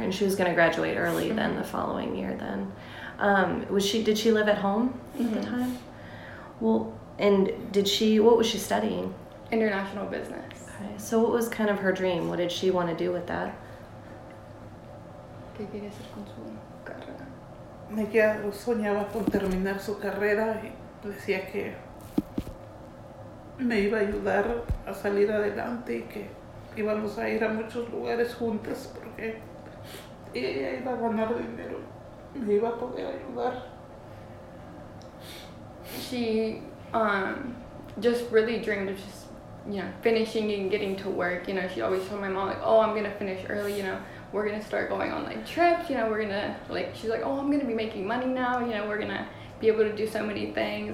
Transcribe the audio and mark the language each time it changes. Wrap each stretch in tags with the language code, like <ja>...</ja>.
<en>And she was going to graduate early then, the following year then. Did she live at home at the time? Well, and what was she studying? International business. Okay. So what was kind of her dream? What did she want to do with that?</en> <es>¿Qué quería hacer con su carrera? Ella soñaba con terminar su carrera y decía que me iba a ayudar a salir adelante y que íbamos a ir a muchos lugares juntas porque ella iba a ganar dinero, me iba a poder ayudar.</es> <en>She just really dreamed of just, you know, finishing and getting to work. You know, she always told my mom, like, oh, I'm gonna finish early, you know, we're gonna start going on, like, trips, you know, we're gonna, like, she's like, oh, I'm gonna be making money now, you know, we're gonna be able to do so many things.</en>